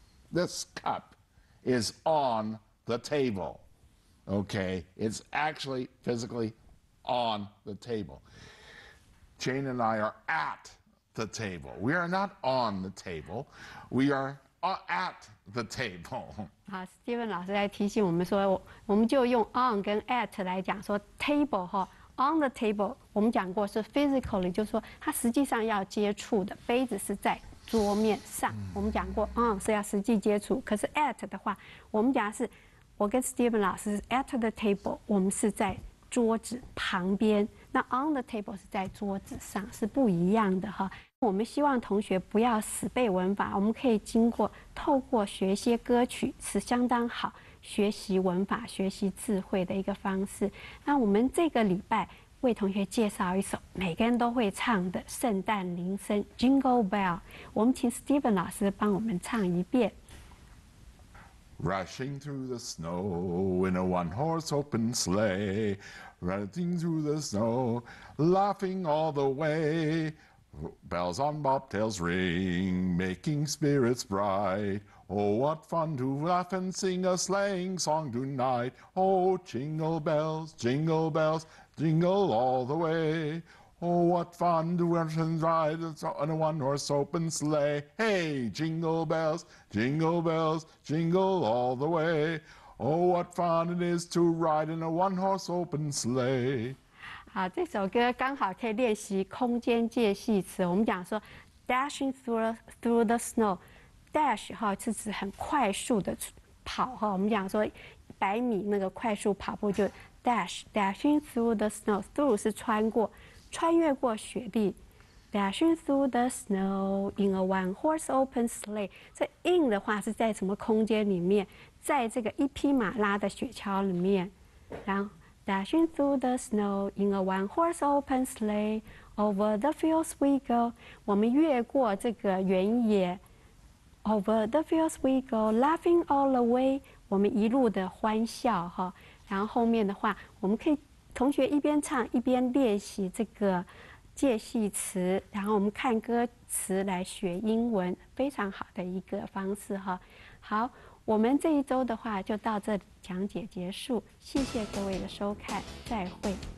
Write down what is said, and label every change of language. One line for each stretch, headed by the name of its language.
English: This cup is on the table, okay? It's actually physically on the table. Jane and I are at the table. We are not on the table. We are at the table.
Chinese: 好 ，Steven 老师来提醒我们说，我们就用 on 跟 at 来讲说 table 哈。
English: On the table，
Chinese: 我们讲过是 physically， 就是说它实际上要接触的杯子是在桌面上。我们讲过 on 是要实际接触，可是 at 的话，我们讲是，我跟 Steven 老师
English: at the table，
Chinese: 我们是在。桌子旁边，那
English: on the table
Chinese: 是在桌子上，是不一样的哈。我们希望同学不要死背文法，我们可以经过透过学些歌曲是相当好学习文法、学习智慧的一个方式。那我们这个礼拜为同学介绍一首每个人都会唱的圣诞铃声 Jingle Bell， 我们请 Steven 老师帮我们唱一遍。
English: Rushing through the snow in a one-horse open sleigh, running through the snow, laughing all the way. Bells on bobtails ring, making spirits bright. Oh, what fun to laugh and sing a sleighing song tonight. Oh, jingle bells, jingle bells, jingle all the way. Oh, what fun to rush and ride in a one-horse open sleigh. Hey, jingle bells, jingle bells, jingle all the way. Oh, what fun it is to ride in a one-horse open sleigh.
Chinese: 好，这首歌刚好可以练习空间介系词。我们讲说
English: dashing through the snow，
Chinese: dash 哈是指很快速的跑哈。我们讲说百米那个快速跑步就
English: dashing through the snow，
Chinese: through 是穿过。穿越过雪地 ，
English: dashing through the snow in a one-horse open sleigh。
Chinese: 这 in 的话是在什么空间里面？在这个一匹马拉的雪橇里面。然后 ，
English: dashing through the snow in a one-horse open sleigh over the fields we go。
Chinese: 我们越过这个原野 ，
English: over the fields we go， laughing all the way。
Chinese: 我们一路的欢笑哈。然后后面的话，我们可以。同学一边唱一边练习这个介系词，然后我们看歌词来学英文，非常好的一个方式哈。好，我们这一周的话就到这里讲解结束，谢谢各位的收看，再会。